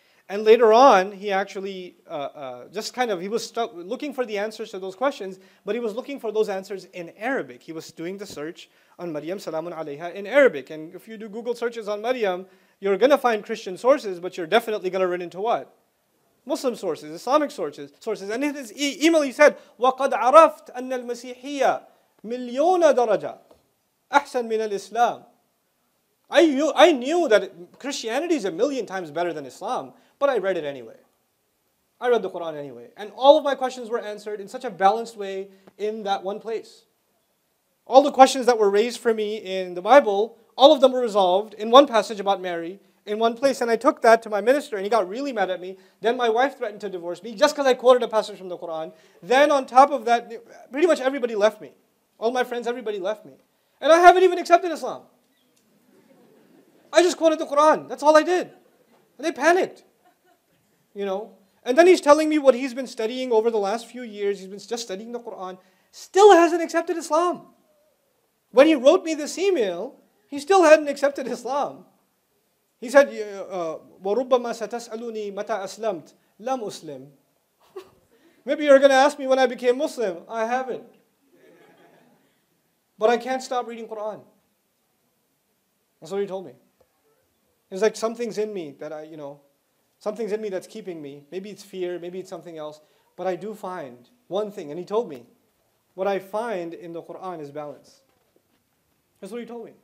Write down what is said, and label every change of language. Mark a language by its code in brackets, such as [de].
[en] And later on, he actually he was looking for the answers to those questions, but he was looking for those answers in Arabic. He was doing the search on Maryam Salamun Alayha in Arabic. And if you do Google searches on Maryam, you're going to find Christian sources, but you're definitely going to run into what? Muslim sources, Islamic sources. And in his email, he said, [ar] وَقَدْ عَرَفْتْ أَنَّ الْمَسِيحِيَّ مِلْيُونَ دَرَجَةً أَحْسَن مِنَ الْإِسْلَامِ. [en] I knew that Christianity is a million times better than Islam, but I read it anyway. I read the Quran anyway. And all of my questions were answered in such a balanced way in that one place. All the questions that were raised for me in the Bible, all of them were resolved in one passage about Mary, in one place. And I took that to my minister, and he got really mad at me. Then my wife threatened to divorce me just because I quoted a passage from the Quran. Then on top of that, pretty much everybody left me. All my friends, everybody left me. And I haven't even accepted Islam. I just quoted the Quran. That's all I did. And they panicked. You know? And then he's telling me what he's been studying over the last few years. He's been just studying the Quran. Still hasn't accepted Islam. When he wrote me this email, he still hadn't accepted Islam. He said, [ar] وَرُبَّمَا سَتَسْأَلُونِي مَتَى أَسْلَمْتْ لَمْ أُسْلِمْ. [en] Maybe you're going to ask me when I became Muslim. I haven't. But I can't stop reading Quran. That's what he told me. It's like something's in me that something's in me that's keeping me. Maybe it's fear, maybe it's something else. But I do find one thing, and he told me, what I find in the Quran is balance. That's what he told me.